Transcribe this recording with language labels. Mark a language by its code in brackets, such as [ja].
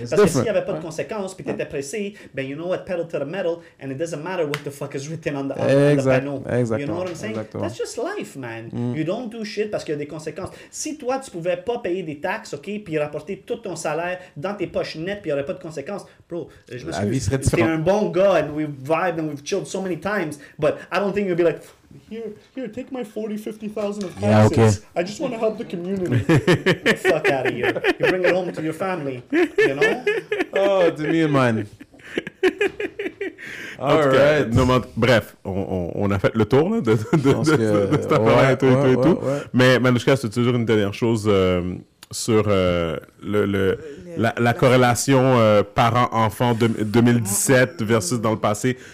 [fr] Parce que s'il n'y avait pas de conséquences, puis tu étais pressé, ben [en] you know what, pedal to the metal, and it doesn't matter what the fuck is written on the panel. Exactly. You know what I'm saying? [fr] Exactement. [en] That's just life, man. Mm. You don't do shit [fr] parce qu'il y a des conséquences. Si toi, tu ne pouvais pas payer des taxes, okay, puis rapporter tout ton salaire dans tes poches nettes, puis il n'y aurait pas de conséquences, bro, la vie serait différente. T'es un bon gars, [en] and we've vibed, and we've chilled so many times, but I don't think you'll be like, here, take my $40,000-$50,000 of taxes. Yeah, okay. I just want to help the community. Fuck out of here. You bring it home to your family, you know? Oh, to me and mine. All right. [fr] Cas, non, bref, on a fait le tour là, de cette affaire et tout. Ouais, et tout. Ouais. Mais Manushka, c'est toujours une dernière chose sur la corrélation parent-enfant 2017 versus dans le passé.